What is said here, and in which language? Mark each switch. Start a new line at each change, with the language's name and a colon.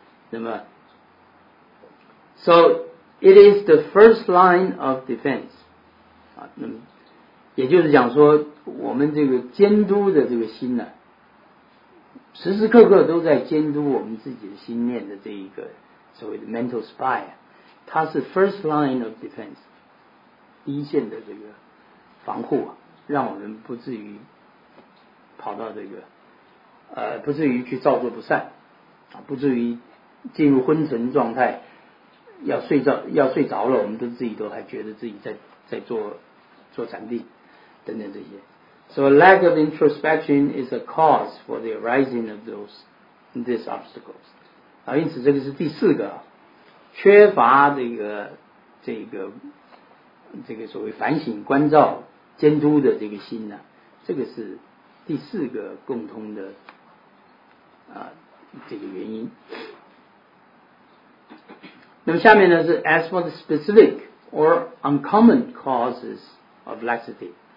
Chinese: 那么 so it is the first line of defense 那么也就是讲说，我们这个监督的这个心呢，时时刻刻都在监督我们自己的心念的这一个所谓的 mental spy, 它是 first line of defense, 第一线的这个防护啊，让我们不至于跑到这个不至于去造作不善，不至于进入昏沉状态，要睡着了，我们都自己都还觉得自己在做禅定等等这些。
English: So a lack of introspection is a cause for the arising of these obstacles.
Chinese: 因此这个是第四个，缺乏这个所谓反省、关照、监督的这个心呢，这个是第四个共通的这个原因。
English: 那么下面呢是 as for the specific or uncommon causes of laxity.